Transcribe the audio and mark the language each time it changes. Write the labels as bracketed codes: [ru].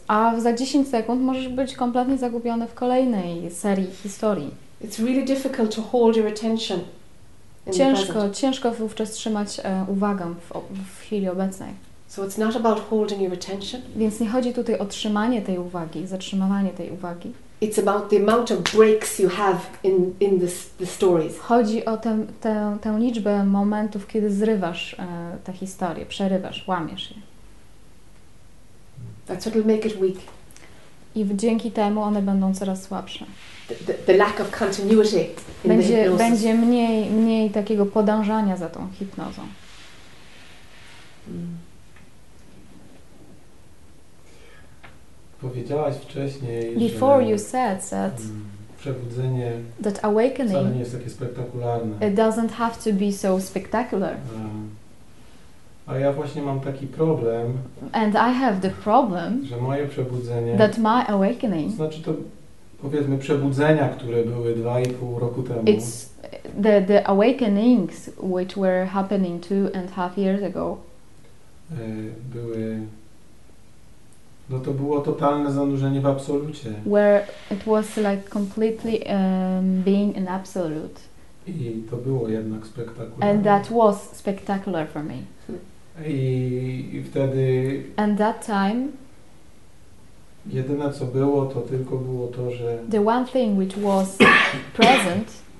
[pl] A za 10 sekund możesz być kompletnie zagubiony w kolejnej serii historii. [en] It's really difficult to hold your attention. [pl] Ciężko wówczas trzymać uwagę w chwili obecnej. [en] So it's not about holding your attention. [pl] Więc nie chodzi tutaj o trzymanie tej uwagi, zatrzymywanie tej uwagi. [en] It's about the amount of breaks you have in the stories. [pl] Chodzi o tę liczbę momentów, kiedy zrywasz tę historię, przerywasz, łamiesz je. [en] That's what will make it weak. [pl] I dzięki temu one będą coraz słabsze. [en] The lack of continuity in [pl] będzie, [en] the hypnosis. [pl] Będzie mniej takiego podążania za tą hipnozą. Powiedziałaś wcześniej, [en] before [pl] że [en] you said that [pl] przebudzenie [en] that awakening [pl] wcale nie jest takie spektakularne. [en] It doesn't have to be so spectacular. [pl] A ja właśnie mam taki problem. [en] And I have the problem, [pl] że moje przebudzenie, [en] that my awakening, [pl] to znaczy to powiedzmy przebudzenia, które były 2,5 roku temu. [en] It's the awakenings which were happening 2.5 years ago. [pl] Były. No to było totalne zanurzenie w absolucie. [en] Where it was like completely being in absolute. [pl] I to było jednak spektakularne. [en] And that was spectacular for me. [pl] I wtedy. [en] And that time. [pl] Jedyne co było, to tylko było to, że [en] the one thing which was present.